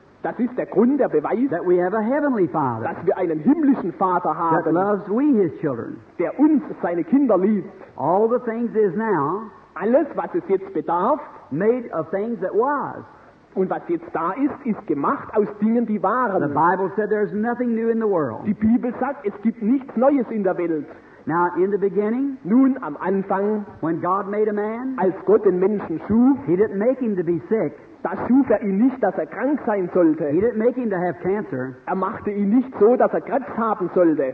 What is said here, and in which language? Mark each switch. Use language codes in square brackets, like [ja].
[de] Das ist der Grund, der Beweis, [en] that we have a heavenly father, [de] dass wir einen himmlischen Vater haben, [en] that loves we his children, [de] der uns seine Kinder liebt. [en] All the things is now, [de] alles was es jetzt bedarf, [en] made of things that was. [de] Und was jetzt da ist, ist gemacht aus Dingen, die waren. [en] The Bible said there's nothing new in the world. [de] Die Bibel sagt, es gibt nichts Neues in der Welt. [en] Now in the beginning, [de] nun am Anfang, [en] when God made a man, [de] als Gott den Menschen schuf, [en] he didn't make him to be sick. [de] Da schuf er ihn nicht, dass er krank sein sollte. [en] He didn't make him to have cancer. [de] Er machte ihn nicht so, dass er Krebs haben sollte.